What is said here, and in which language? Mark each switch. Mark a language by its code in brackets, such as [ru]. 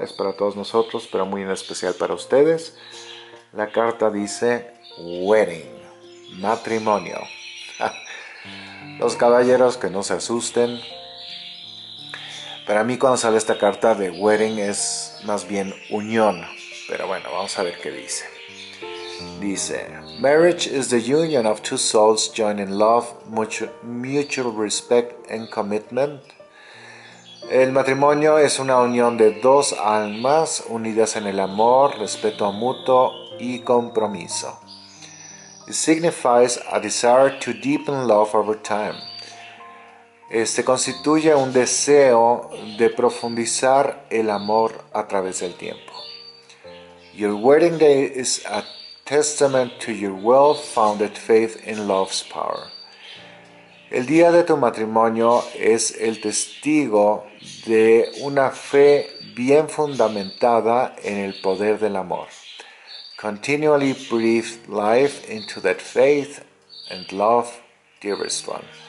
[es] Es para todos nosotros, pero muy en especial para ustedes. La carta dice wedding, matrimonio. Los caballeros, que no se asusten. Para mí, cuando sale esta carta de wedding, es más bien unión. Pero bueno, vamos a ver qué dice. Dice, [en] marriage is the union of two souls joined in love, mutual respect and commitment. [es] El matrimonio es una unión de dos almas unidas en el amor, respeto mutuo y compromiso. [en] It signifies a desire to deepen love over time. [es] Este constituye un deseo de profundizar el amor a través del tiempo. [en] Your wedding day is a testament to your well-founded faith in love's power. [es] El día de tu matrimonio es el testigo de una fe bien fundamentada en el poder del amor. [en] Continually breathe life into that faith and love, dearest one.